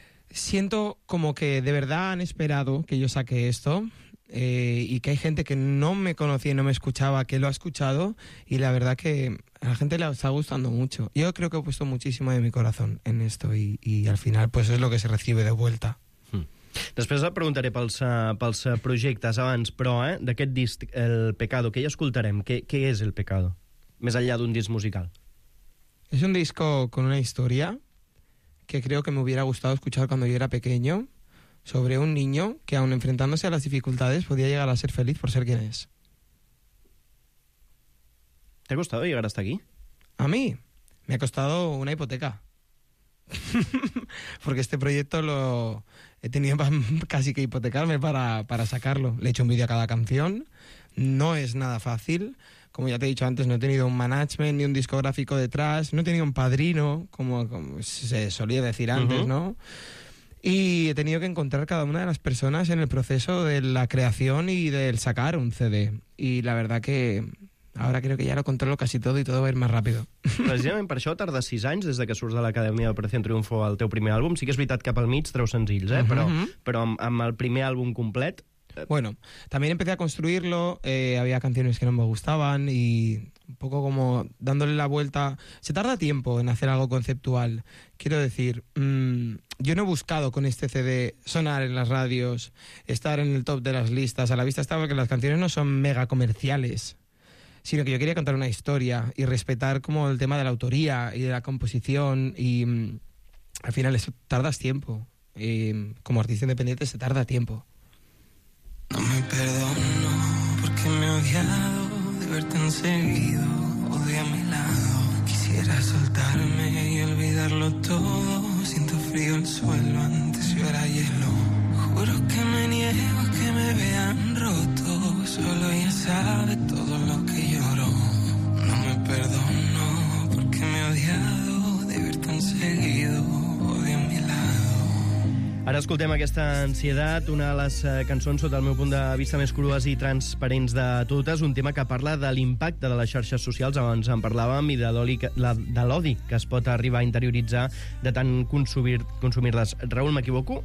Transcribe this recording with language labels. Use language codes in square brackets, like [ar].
[es] Siento como que de verdad han esperado que yo saque esto. Y que hay gente que no me conocía y no me escuchaba, que lo ha escuchado, y la verdad que a la gente le está gustando mucho. Yo creo que he puesto muchísimo de mi corazón en esto, y al final pues es lo que se recibe de vuelta. [ca] Després et preguntaré pels projectes abans, però d'aquest disc El Pecado, que ja escoltarem, què és El Pecado, més enllà d'un disc musical? És un [es] disco con una historia que creo que me hubiera gustado escuchar cuando yo era pequeño, sobre un niño que, aun enfrentándose a las dificultades, podía llegar a ser feliz por ser quien es. ¿Te ha costado llegar hasta aquí? A mí me ha costado una hipoteca. Porque este proyecto lo he tenido casi que hipotecarme para sacarlo. Le he hecho un vídeo a cada canción. No es nada fácil. como ya te he dicho antes, no he tenido un management ni un discográfico detrás, no he tenido un padrino, como se solía decir antes, ¿no? Y he tenido que encontrar cada una de las personas en el proceso de la creación y del sacar un CD. Y la verdad que ahora creo que ja lo controlo casi todo y todo va a ir más rápido. [ca] Precisament per això tarda 6 anys des que surts de l'Acadèmia d'Operació Triunfo al teu primer àlbum. Sí que és veritat que pel mig treus senzills, eh? Però amb el primer àlbum complet... [es] Bueno, también empecé a construirlo, había canciones que no me gustaban y un poco como dándole la vuelta. Se tarda tiempo en hacer algo conceptual. Quiero decir, yo no he buscado con este CD sonar en las radios, estar en el top de las listas. A la vista estaba que las canciones no son mega comerciales, sino que yo quería contar una historia y respetar como el tema de la autoría y de la composición. Y al final eso, tardas tiempo. Y como artista independiente se tarda tiempo. No me perdono porque me he odiado de verte enseguido o de a mi lado. Quisiera soltarme y olvidarlo todo. Siento frío el suelo, antes yo era hielo. Juro que me niego a que me vean roto. Solo ella sabe todo lo que lloro. No me perdono porque me he odiado de verte enseguido o de a mi lado. [ca] Ara escoltem aquesta ansietat, una de les cançons sota el meu punt de vista més crues i transparents de totes, un tema que parla de l'impacte de les xarxes socials, abans en parlàvem, i de l'odi que es pot arribar a interioritzar de tant consumir-les. Raül, m'equivoco?